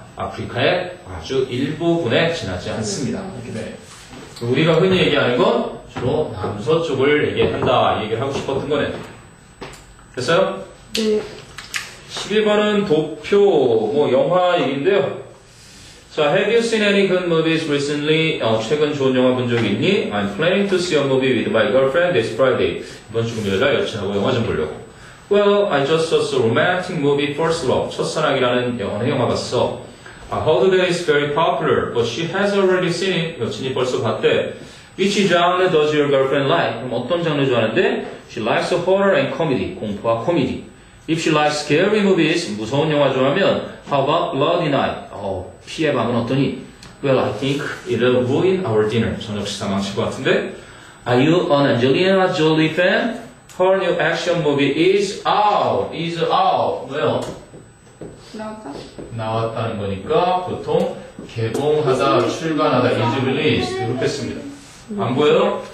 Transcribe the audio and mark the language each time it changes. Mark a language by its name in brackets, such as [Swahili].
[Korean] 아프리카의 아주 일부분에 지나지 않습니다. 네. 우리가 흔히 얘기하는 건 주로 남서쪽을 얘기한다 얘기하고 싶었던 거네. 됐어요? 네. 11번은 도표, 뭐 영화 얘기인데요. [English] So have you seen any good movies recently? [Korean] 최근 좋은 영화 본 적 있니? [English] I'm planning to see a movie with my girlfriend this Friday. [Korean] 이번 주 금요일에 여친하고 영화 좀 보려고. [English] Well, I just saw a romantic movie, First Love. [Korean] 첫사랑이라는 영화 봤어. [English] I heard that it's very popular, but she has already seen it. [Korean] 여친이 벌써 봤대. [English] Which genre does your girlfriend like? [Korean] 그럼 어떤 장르 좋아하는데? [English] She likes horror and comedy. [Korean] 공포와 코미디. [English] If she likes scary movies, [Korean] 무서운 영화 좋아하면 [English] How about Bloody Night? [Korean] 피의 밤은 어떠니? [English] Well, I think it'll ruin our dinner. [Korean] 저녁 식사 망칠 것 같은데? [English] Are you an Angelina Jolie fan? Her new action movie is out. Is out. [Korean] 왜요? 나왔다는 거니까 보통 개봉하다, 출간하다, [English] is released [Korean] 이렇게 씁니다. 안 보여요?